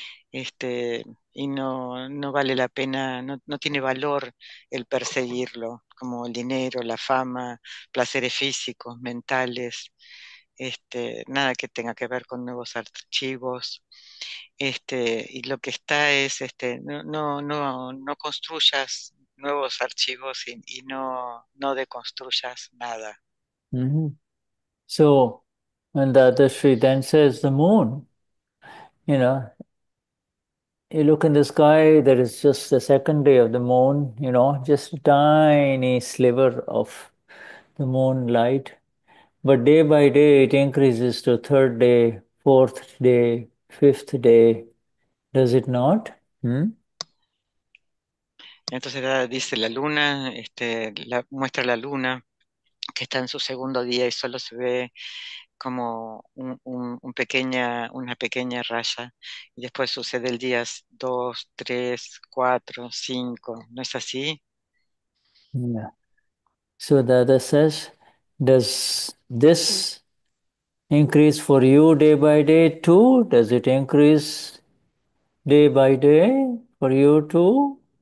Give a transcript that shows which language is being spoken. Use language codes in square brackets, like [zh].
[es] Y no vale la pena, no tiene valor el perseguirlo, como el dinero, la fama, placeres físicos, mentales, nada que tenga que ver con nuevos archivos. Y lo que está es, no construyas nuevos archivos y no deconstruyas nada. [en] So, and Dadashri then says the moon, you know, you look in the sky, there is just the second day of the moon, you know, just a tiny sliver of the moonlight. But day by day, it increases to third day, fourth day, fifth day. Does it not? [es] Entonces dice la luna, muestra la luna que está en su segundo día y solo se ve como una pequeña raya, y después sucede el día 2, 3, 4, 5, ¿no es así? [en] Yeah. So Dada says, does this increase for you day by day too? Does it increase day by day for you too?